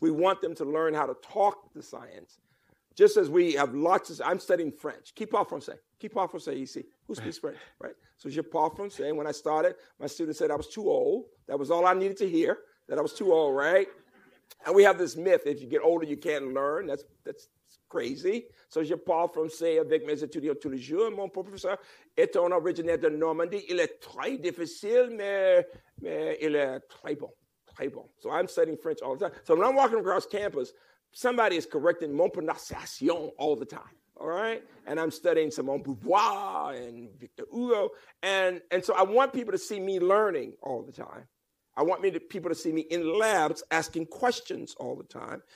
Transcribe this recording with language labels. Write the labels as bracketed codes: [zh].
[en] We want them to learn how to talk to science. Just as we have lots of, I'm studying French. [fr] Qui parle français ici? [en] Who speaks French, right? So [fr] je parle français. [en] When I started, my students said I was too old. That was all I needed to hear, that I was too old, right? And we have this myth, if you get older, you can't learn. That's crazy. So [fr] je parle français avec mes étudiants tous les jours. Mon professeur est un originaire de Normandie. Il est très difficile, mais il est très bon. Très bon. [en] So I'm studying French all the time. So when I'm walking across campus, somebody is correcting [fr] mon prononciation [en] all the time. All right? And I'm studying Simone Beauvoir and Victor Hugo. And so I want people to see me learning all the time. I want people to see me in labs asking questions all the time.